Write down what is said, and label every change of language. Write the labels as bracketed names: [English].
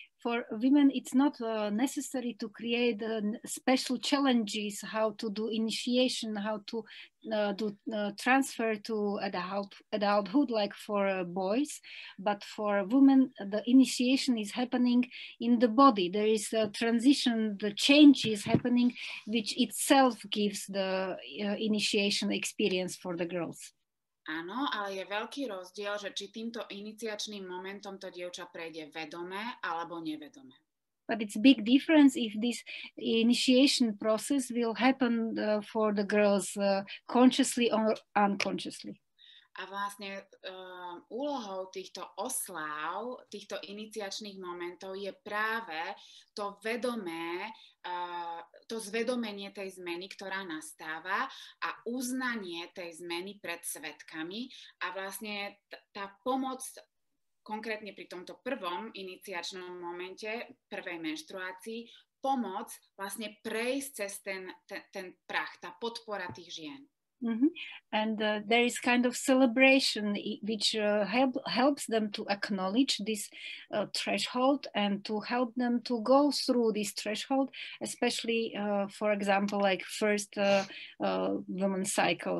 [English] For women, it's not necessary to create special challenges, how to do initiation, how to transfer to adulthood, like for boys. But for women, the initiation is happening in the body. There is a transition, the change is happening, which itself gives the initiation experience for the girls. [Slovak] Áno, ale je veľký rozdiel, že či týmto iniciačným momentom to dievča prejde vedomé alebo nevedomé. [English] But it's big difference if this initiation process will happen for the girls consciously or unconsciously. [Slovak] A vlastne úlohou týchto osláv, týchto iniciačných momentov je práve to vedomé, to zvedomenie tej zmeny, ktorá nastáva, a uznanie tej zmeny pred svedkami. A vlastne tá pomoc konkrétne pri tomto prvom iniciačnom momente, prvej menštruácii, pomoc vlastne prejsť cez ten prach, tá podpora tých žien. Mm-hmm. [English] And there is kind of celebration which helps them to acknowledge this threshold and to help them to go through this threshold, especially for example, like first woman cycle.